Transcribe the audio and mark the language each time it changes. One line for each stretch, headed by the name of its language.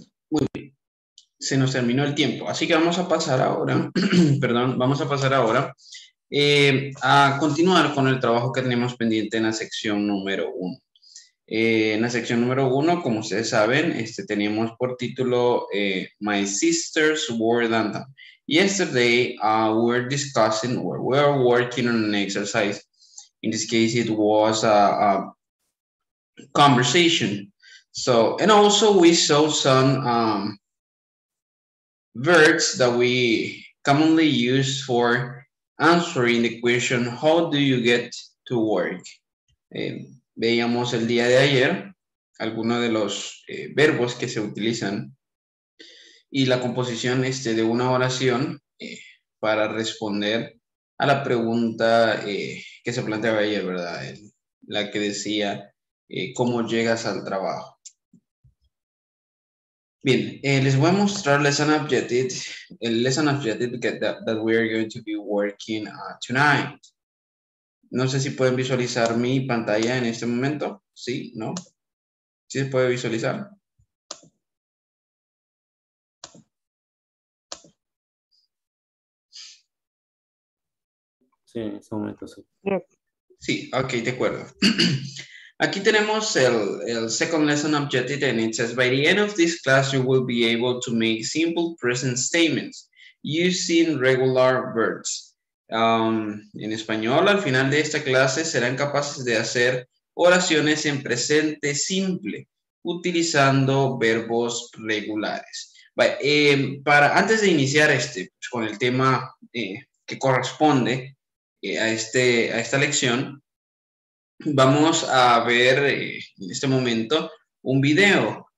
Spanish: Muy bien. Se nos terminó el tiempo, así que vamos a pasar ahora, perdón, vamos a pasar ahora a continuar con el trabajo que tenemos pendiente en la sección número 1. En la sección número 1, como ustedes saben, tenemos por título My Sister's Word Anthem.
English: Yesterday, we're discussing, or we're working on an exercise. In this case, it was a conversation. So, and also we saw some verbs that we commonly use for answering the question, how do you get to work?
Spanish: Veíamos el día de ayer algunos de los verbos que se utilizan y la composición de una oración para responder a la pregunta que se planteaba ayer, ¿verdad? La que decía, ¿cómo llegas al trabajo? Bien, les voy a mostrar
English: lesson objective,
Spanish: el
English: lesson objective that we are going to be working tonight.
Spanish: No sé si pueden visualizar mi pantalla en este momento. Sí, ¿no? ¿Sí se puede visualizar? Sí, en este momento sí. Sí, ok, de acuerdo. Aquí tenemos el
English: second lesson objective, and it says, by the end of this class, you will be able to make simple present statements using regular verbs.
Spanish: En español, al final de esta clase, serán capaces de hacer oraciones en presente simple utilizando verbos regulares. But, antes de iniciar con el tema que corresponde a esta lección, vamos a ver en este momento un video.